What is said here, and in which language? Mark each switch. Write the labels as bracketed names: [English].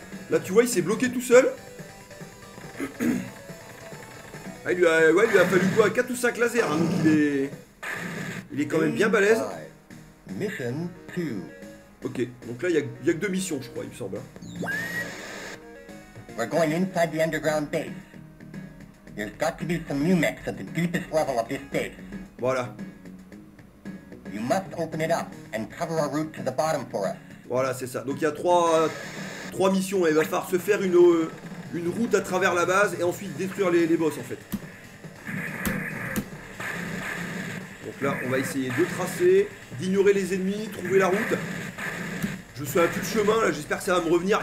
[French] Là, tu vois, il s'est bloqué tout seul. Ah, il lui a fallu quoi, 4 ou 5 lasers, hein, donc il est quand même bien balèze. Mission 2. Ok, donc là, il y a que deux missions, je crois, il me semble. [English] We're going inside the underground base. There's got to be some mumex at the deepest level of this base. [French] Voilà. [English] You must open it up and cover our route to the bottom for us. [French] Voilà, c'est ça. Donc il y a trois missions. Et il va falloir se faire une route à travers la base et ensuite détruire les boss, en fait. Donc là, on va essayer de tracer, d'ignorer les ennemis, trouver la route. Je suis à plus de chemin, là. J'espère que ça va me revenir.